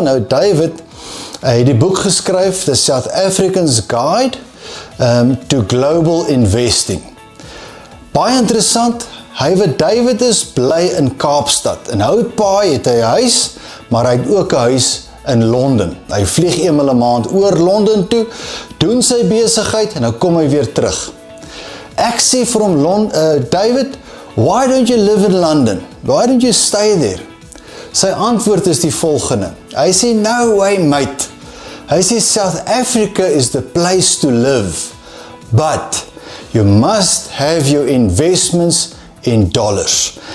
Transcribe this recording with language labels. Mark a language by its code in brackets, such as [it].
[af] Nou, David het die boek geskryf, The South African's Guide to Global Investing. Baie interessant, David is bly in Kaapstad. En hou paai het hy 'n huis, maar hy het ook 'n huis in Londen. Hy vlieg eenmaal 'n maand oor Londen toe, doen sy besigheid en dan kom hy weer terug. Ek sê vir hom, [en] David, why don't you live in London? Why don't you stay there? [af] Sy antwoord is die volgende. Hy sê, [en] no way, mate. [af] Hy sê, [en] South Africa is the place to live. But you must have your investments in dollars.